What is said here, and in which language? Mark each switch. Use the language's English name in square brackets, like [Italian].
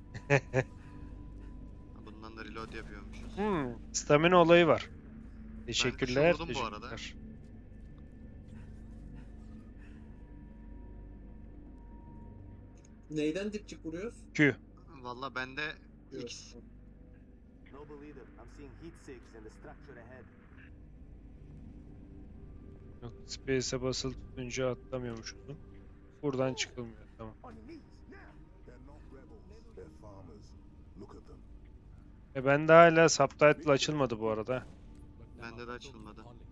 [Turkish] Ha, bundan da reload yapıyormuşuz. Hmm, stamina olayı var. Teşekkürler. Ben teşekkür bu arada. Neyden dipçik vuruyoruz? Q. Valla bende X. [English] Noble leader, I'm seeing heat sinks in the structure ahead. [Turkish] Yok, space'e basılı tutunca atlamıyormuş onu. Buradan çıkılmıyor, tamam. Ben de hala subtitle açılmadı bu arada. Bende de açılmadı.